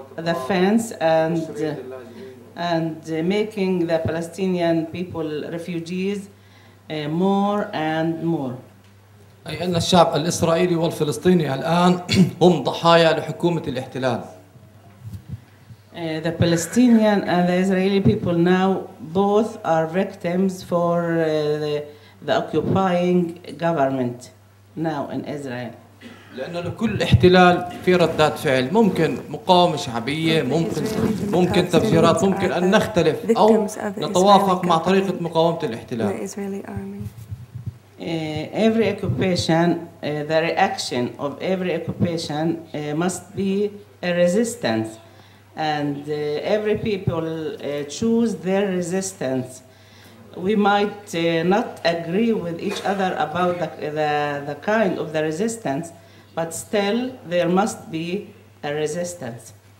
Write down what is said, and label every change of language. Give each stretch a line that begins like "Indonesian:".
English: The fence and and making the Palestinian people refugees more and more.
Arabic: أي أن الشعب الإسرائيلي والفلسطيني الآن هم ضحايا لحكومة الاحتلال.
English: The Palestinian and the Israeli people now both are victims for the occupying government now in Israel.
Arabic: لأن لكل احتلال في ردات فعل، ممكن مقاومة شعبية، ممكن تفجيرات، ممكن أن نختلف أو نتوافق مع طريقة مقاومة الاحتلال.
English: Every occupation, the reaction of every occupation must be a resistance. And every people choose their resistance. We might not agree with each other about the kind of the resistance, but still there must be a resistance.